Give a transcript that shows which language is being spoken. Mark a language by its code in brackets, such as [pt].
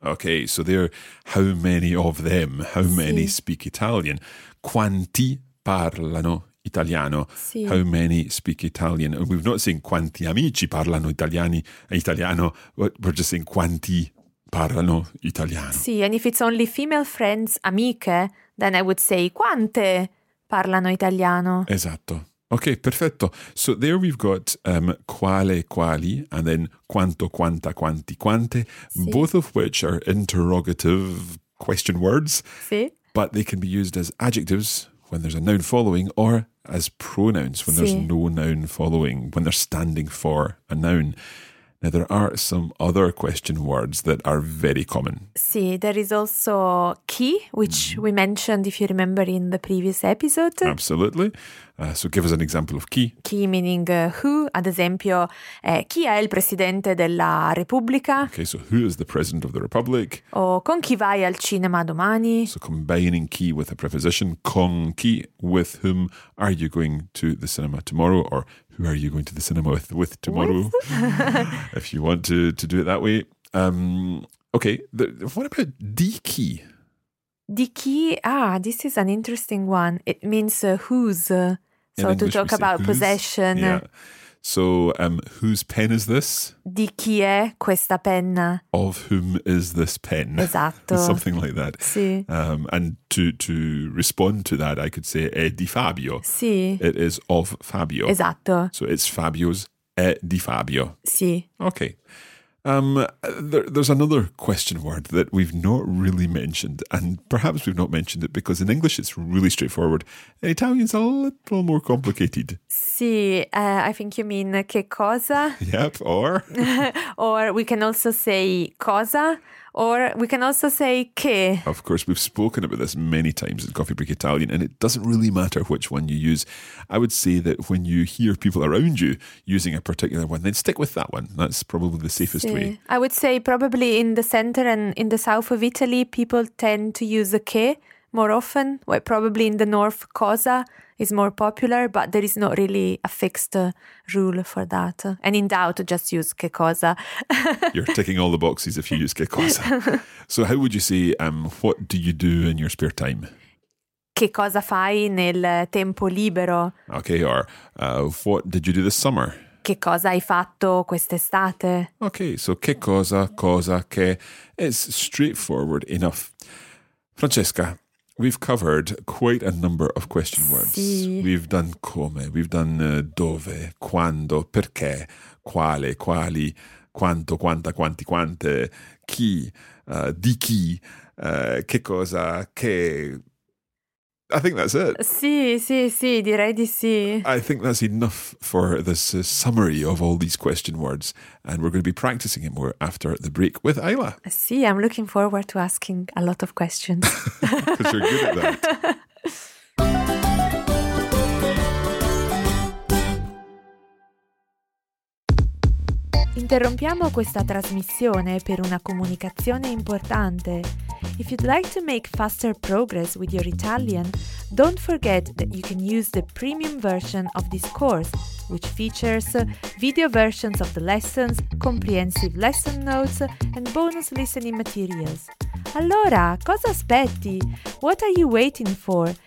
[en] Okay, so there, how many of them, how many speak Italian? [it] Quanti parlano italiano? Sì. [en] How many speak Italian? We've not seen [it] quanti amici parlano italiano. [en] We're just saying [it] quanti parlano italiano. [en] Sì, and if it's only female friends, amiche, then I would say [it] quante parlano italiano. [en] Esatto. Okay, perfetto. So there we've got quale, quali, and then quanto, quanta, quanti, quante, [it] sì. [en] both of which are interrogative question words, [it] sì. [en] but they can be used as adjectives when there's a noun following, or as pronouns when there's no noun following, when they're standing for a noun. Now, there are some other question words that are very common. Sì, there is also chi, which we mentioned, if you remember, in the previous episode. Absolutely. So give us an example of chi. [it] Chi [en] meaning who, [it] ad esempio, chi è il presidente della Repubblica? [en] Okay, so who is the president of the Republic? [it] O con chi vai al cinema domani? [en] So combining chi with a preposition, con chi, with whom are you going to the cinema tomorrow, or who are you going to the cinema with tomorrow, with? If you want to do it that way. Okay, what about di chi? [it] Di chi? [en] Ah, this is an interesting one. It means whose. So in to English talk about whose? Possession. Yeah. So whose pen is this? [it] Di chi è questa penna? [en] Of whom is this pen? [it] Esatto. [en] Something like that. [it] Sì. [en] And to respond to that, I could say [it] è di Fabio. Sì. [en] It is of Fabio. [it] Esatto. [en] So it's Fabio's. [it] È di Fabio. Sì. [en] Okay. There's another question word that we've not really mentioned, and perhaps we've not mentioned it because in English it's really straightforward. In Italian, it's a little more complicated. Sì, I think you mean che cosa. Yep, or? Or we can also say cosa, or we can also say che. Of course, we've spoken about this many times in Coffee Break Italian, and it doesn't really matter which one you use. I would say that when you hear people around you using a particular one, then stick with that one. That's probably the safest way. I would say probably in the center and in the south of Italy, people tend to use a che more often. Well, probably in the north, cosa is more popular, but there is not really a fixed rule for that. And in doubt, just use che cosa. You're ticking all the boxes if you use che cosa. So how would you say, what do you do in your spare time? [it] Che cosa fai nel tempo libero? [en] Okay, or what did you do this summer? [it] Che cosa hai fatto quest'estate? [en] Okay, so che cosa, cosa, che. It's straightforward enough. Francesca, we've covered quite a number of question words. [it] Sì. [en] We've done come, we've done dove, quando, perché, quale, quali, quanto, quanta, quanti, quante, chi, di chi, che cosa, che. I think that's it. [it] Sì, sì, sì, direi di sì. [en] I think that's enough for this summary of all these question words. And we're going to be practicing it more after the break with Ayla. Sì, I'm looking forward to asking a lot of questions. Because you're good at that. [it] Interrompiamo questa trasmissione per una comunicazione importante. [en] If you'd like to make faster progress with your Italian, don't forget that you can use the premium version of this course, which features video versions of the lessons, comprehensive lesson notes, and bonus listening materials. [it] Allora, cosa aspetti? [en] What are you waiting for?